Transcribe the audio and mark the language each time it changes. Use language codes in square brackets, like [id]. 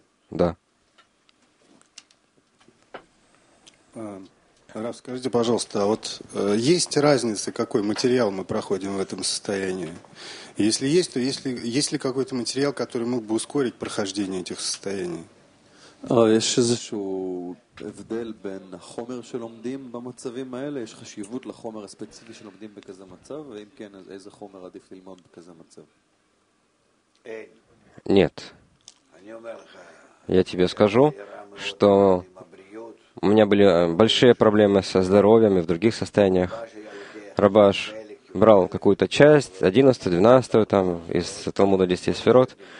[ru] Да. Раф, скажите, пожалуйста, а вот есть разница, какой материал мы проходим в этом состоянии? Если есть, то есть ли какой-то материал, который мог бы ускорить прохождение этих состояний? [he] יש איזשהו הבדל בין החומר שלומדים במצבים האלה, יש חשיבות לחומר הספציפי שלומדים בכזה מצב, ואם כן, אז איזה חומר עדיף ללמוד בכזה מצב? אין. [ru] Нет. [he] אני אומר לך, [ru] я тебе скажу, что у меня были большие проблемы со здоровьем и в других состояниях. Рабаш брал какую-то часть, 11-ю, 12-ю, там, из Талмуда 10 сферот.